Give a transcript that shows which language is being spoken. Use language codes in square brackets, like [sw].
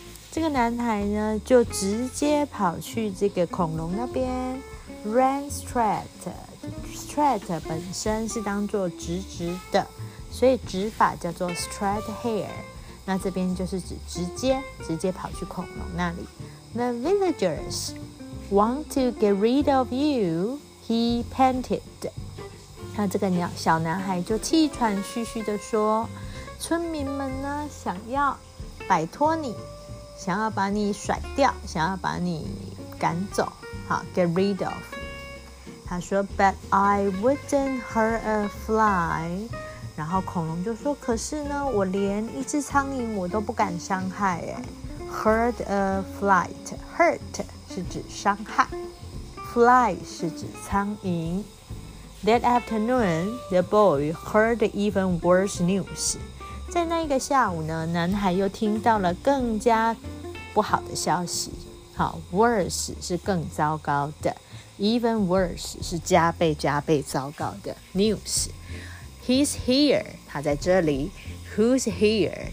[zh] 这个男孩呢就直接跑去这个恐龙那边。 [en] Ran straight. [zh] Straight 本身是当作直直的，所以指法叫做 straight hair。那这边就是指直接跑去恐龙那里。 [en] The villagers want to get rid of you, he panted. [zh] 那这个小男孩就气喘吁吁地说，村民们呢想要摆脱你，想要把你甩掉，想要把你赶走。 [en] 好 ，get rid of。 [zh] 他说 [en] ，But I wouldn't hurt a fly。 [zh] 然后恐龙就说，可是呢，我连一只苍蝇我都不敢伤害耶。 [en] Hurt a flight， hurt [zh] 是指伤害，fly 是指苍蝇。 [en] That afternoon, the boy heard even worse news。 [zh] 在那一个下午呢，男孩又听到了更加不好的消息。好 ，worse 是更糟糕的 ， [en] even worse [zh] 是加倍糟糕的 news。 [en] He's here， [zh] 他在这里。 [en] Who's here？